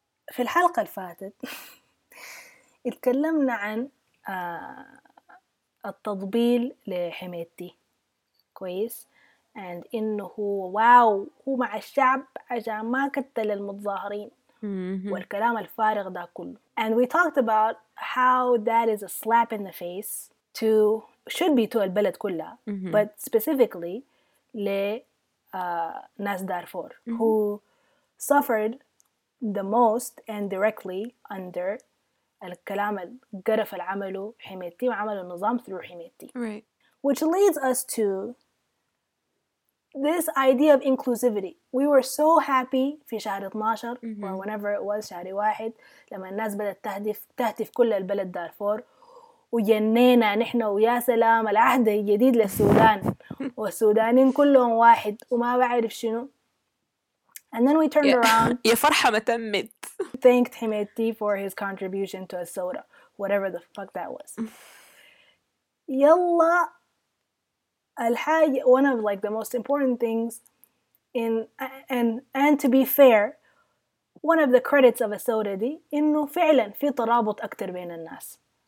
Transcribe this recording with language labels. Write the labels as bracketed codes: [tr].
[ar] في الحلقة الفاتت اتكلمنا عن التضبيل لحميتي. كويس. And إنه هو واو. هو مع الشعب عشان ما كتل المتظاهرين. والكلام الفارغ ده كله. [en] And we talked about how that is a slap in the face to, should be to [ar] البلد كلها, [en] but specifically [ar] لناس دارفور [en] who suffered the most and directly under [ar] الكلام القرف اللي عمله حميتي وعمله النظام [en] through حميتي. Right. Which leads us to This idea of inclusivity. We were so happy [ar] في شهر 12 [en] or whenever it was, [ar] شهر واحد, لما الناس بدأت تهتف كل البلد دارفور وجنينا نحن ويا سلام العهد الجديد للسودان والسودانين كلهم واحد وما بعرف شنو. [en] And then we turned around. [ar] يا فرحة ما تمت. [en] Thanked حميتي for his contribution to Asoda. Whatever the fuck that was. [ar] يلا الحاجة, [en] one of like the most important things in and to be fair one of the credits of Asoda [ar] دي إنه فعلا في ترابط أكتر بين الناس